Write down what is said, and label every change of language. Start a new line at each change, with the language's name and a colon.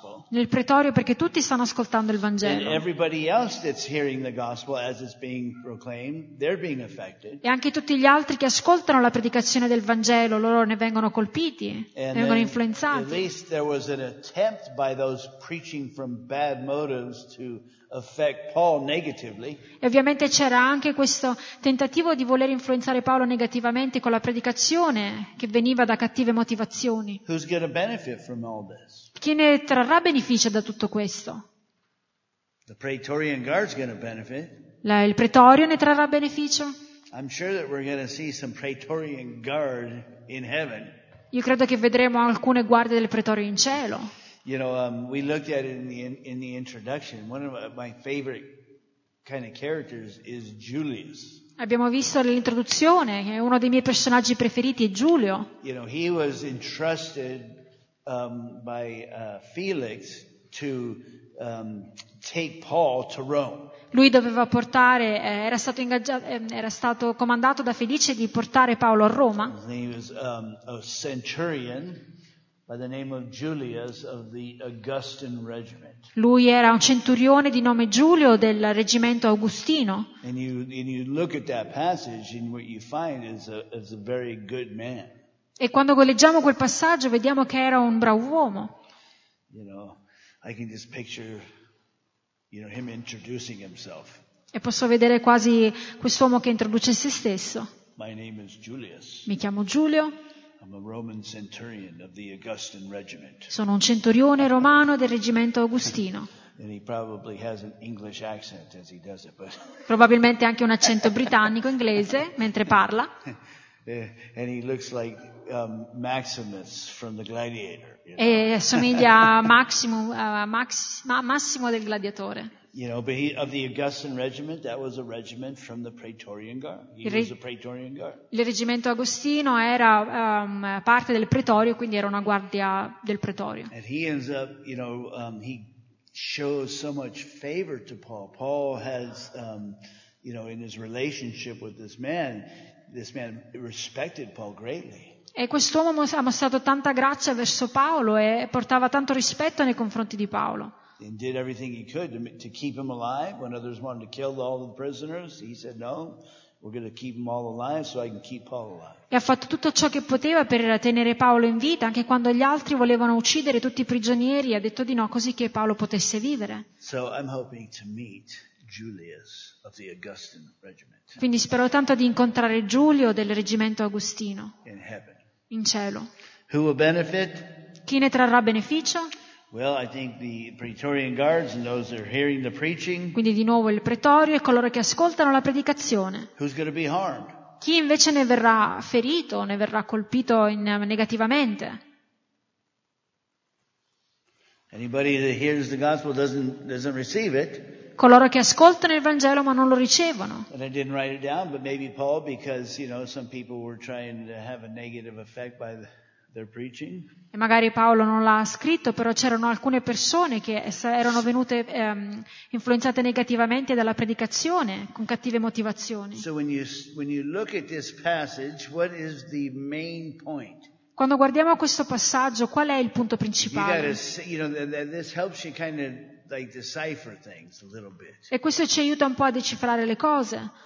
Italian: Nel pretorio, perché tutti stanno ascoltando il Vangelo.
English: And everybody else that's hearing the gospel as it's being proclaimed, they're being affected.
Italian: E anche tutti gli altri che ascoltano la predicazione del Vangelo, loro ne vengono colpiti,
English: and
Italian: vengono
English: then,
Italian: influenzati.
English: At least there was an attempt by those preaching from bad motives to affect Paul negatively.
Italian: E ovviamente c'era anche questo tentativo di voler influenzare Paolo negativamente con la predicazione che veniva da cattive motivazioni.
English: Who's going to benefit from all this?
Italian: Chi ne trarrà beneficio da tutto questo?
English: The Praetorian Guard's going to benefit.
Italian: Il pretorio ne trarrà beneficio?
English: I'm sure that we're going to see some Praetorian Guard in heaven.
Italian: Io credo che vedremo alcune guardie del pretorio in cielo.
English: You know, we looked at it in the introduction. One of my favorite kind of characters is Julius.
Italian: Abbiamo visto nell'introduzione che uno dei miei personaggi preferiti è Giulio.
English: You know, he was entrusted by Felix to take Paul to Rome.
Italian: Lui doveva portare, era stato ingaggiato, era stato comandato da Felice di portare Paolo a Roma.
English: He was a centurion by the name of Julius of the Augustan Regiment.
Italian: Lui era un centurione di nome Giulio del reggimento Augustino.
English: And you look at that passage and what you find is a very good man.
Italian: E quando leggiamo quel passaggio vediamo che era un bravo uomo.
English: You know, I can just picture, you know, him introducing himself.
Italian: E posso vedere quasi quest'uomo che introduce se stesso.
English: My name is Julius.
Italian: Mi chiamo Giulio.
English: I'm a Roman centurion of the Augustan Regiment.
Italian: Sono un centurione romano del reggimento Augustino.
English: And he probably has an English accent as he does it, but.
Italian: Probabilmente anche un accento britannico inglese mentre parla.
English: And he looks like Maximus from the Gladiator.
Italian: E assomiglia a Massimo del Gladiatore.
English: You know, but he, of the Augustan Regiment, that was a regiment from the Praetorian Guard. He was a Praetorian Guard.
Italian: Il reggimento Agostino era parte del pretorio, quindi era una guardia del pretorio.
English: And he ends up, you know, he shows so much favor to Paul. Paul has, you know, in his relationship with this man respected Paul greatly.
Italian: E quest'uomo ha mostrato tanta grazia verso Paolo e portava tanto rispetto nei confronti di Paolo.
English: And did everything he could to keep him alive. When others wanted to kill all the prisoners, he said, "No, we're going to keep him all alive so I can keep Paul alive."
Italian: E ha fatto tutto ciò che poteva per tenere Paolo in vita, anche quando gli altri volevano uccidere tutti i prigionieri, ha detto di no così che Paolo potesse vivere.
English: So I'm hoping to meet Julius of the Augustan Regiment.
Italian: Quindi spero tanto di incontrare Giulio del reggimento Agostino.
English: In heaven.
Italian: In cielo.
English: Who will benefit?
Italian: Chi ne trarrà beneficio?
English: Well, I think the Praetorian Guards and those that are hearing the preaching.
Italian: Quindi di nuovo il pretorio e coloro che ascoltano la predicazione.
English: Who's going to be harmed?
Italian: Chi invece ne verrà ferito, ne verrà colpito negativamente?
English: Anybody that hears the gospel doesn't receive it.
Italian: Coloro che ascoltano il Vangelo ma non lo ricevono.
English: And I didn't write it down, but maybe Paul, because you know some people were trying to have a negative effect by their preaching.
Italian: E magari Paolo non l'ha scritto, però c'erano alcune persone che erano venute influenzate negativamente dalla predicazione con cattive motivazioni.
English: So when you look at this passage, what is the main point?
Italian: Quando guardiamo questo passaggio, qual è il punto principale?
English: You know, this helps you kind of like decipher things a little bit.
Italian: E questo ci aiuta un po' a decifrare le cose.